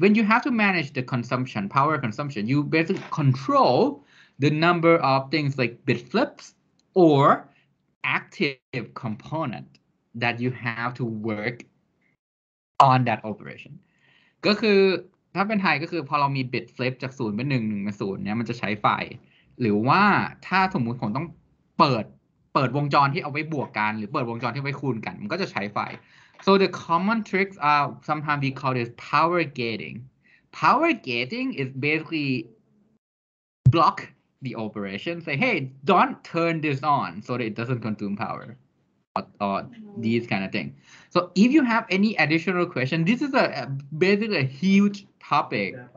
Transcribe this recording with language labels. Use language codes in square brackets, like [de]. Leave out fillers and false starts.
[en] When you have to manage the consumption, power consumption, you basically control the number of things like bit flips or active component. That you have to work on that operation. [th] ก็คือถ้าเป็นไทยก็คือพอเรามี bit flip จาก0เป็น1 1เป็น0เนี่ยมันจะใช้ไฟหรือว่าถ้าสมมุติผมต้องเปิดวงจรที่เอาไว้บวกกันหรือเปิดวงจรที่ไว้คูณกันมันก็จะใช้ไฟ [en] So the common tricks are sometimes we call this power gating. Power gating is basically block the operation. Say, hey, don't turn this on so that it doesn't consume power. Or these kind of thing. So if you have any additional question, this is basically a huge topic.